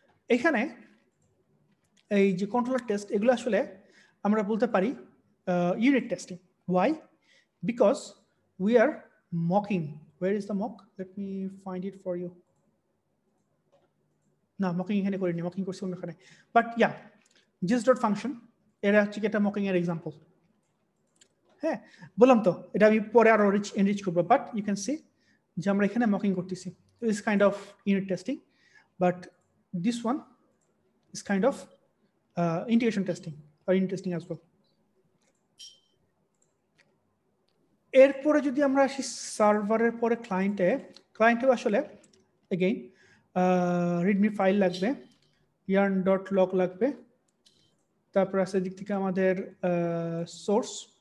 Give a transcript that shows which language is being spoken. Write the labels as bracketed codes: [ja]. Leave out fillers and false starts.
[bn] এখানে এই যে কন্ট্রোলার টেস্ট এগুলো আসলে আমরা বলতে পারি unit testing, [en] Why, because we are mocking, where is the mock? Let me find it for you. [bn] No, mocking এখানে করিনি, mocking করছি ওখানে. [en] But yeah, [bn] gist.function, এটা হচ্ছে একটা mocking এর example. হ্যাঁ, বললাম তো, এটা আমি পরে আরো rich enrich করব. [en] But you can see, [bn] যে আমরা এখানে mocking করতেছি. [en] This kind of unit testing, but this one is kind of integration testing or unit testing as well. [bn] এরপরে যদি আমরা আসি সার্ভারের পরে ক্লায়েন্টে, ক্লায়েন্টে আসলে এগেইন রিডমি ফাইল লাগবে, ইয়ার্ন ডট লগ লাগবে, তারপর আছে দিক থেকে আমাদের সোর্স.